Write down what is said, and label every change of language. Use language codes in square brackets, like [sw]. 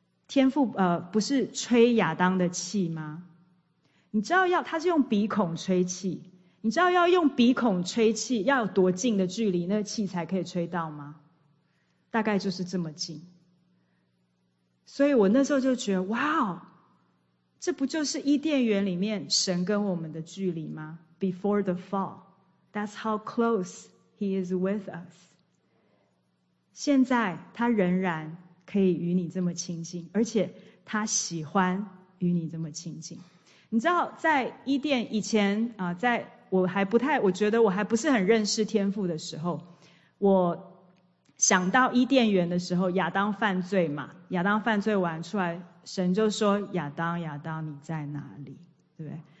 [zh] 天父不是吹亚当的气吗？你知道要他是用鼻孔吹气，你知道要用鼻孔吹气要有多近的距离那个气才可以吹到吗？大概就是这么近。所以我那时候就觉得哇哦，这不就是伊甸园里面神跟我们的距离吗？ [en] Before the fall, that's how close he is with us. [zh] 现在他仍然可以与你这么亲近，而且他喜欢与你这么亲近。你知道在伊甸以前在我觉得我还不是很认识天父的时候，我想到伊甸园的时候，亚当犯罪嘛，亚当犯罪完出来，神就说亚当亚当你在哪里，对不对？